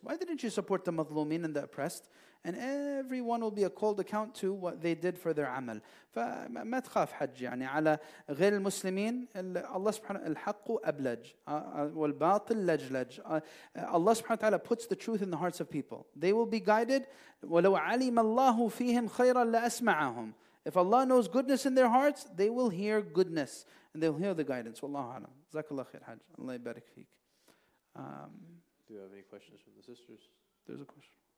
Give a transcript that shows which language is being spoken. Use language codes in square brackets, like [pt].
[en] Why didn't you support the mazlumin and the oppressed? And everyone will be a called account to what they did for their amal. [ar] فما تخاف حج يعني على غير المسلمين الله سبحانه الحق أبلج والباطل لجلج. [en] Allah سبحانه وتعالى puts the truth in the hearts of people. They will be guided. [ar] ولو علم الله فيهم خيرا لأسمعهم. [en] If Allah knows goodness in their hearts, they will hear goodness and they will hear the guidance. [ar] Wallahu alam. Zakallah khair haj. Allah ybarik feek. [en] Do you have any questions from the sisters? There's a question.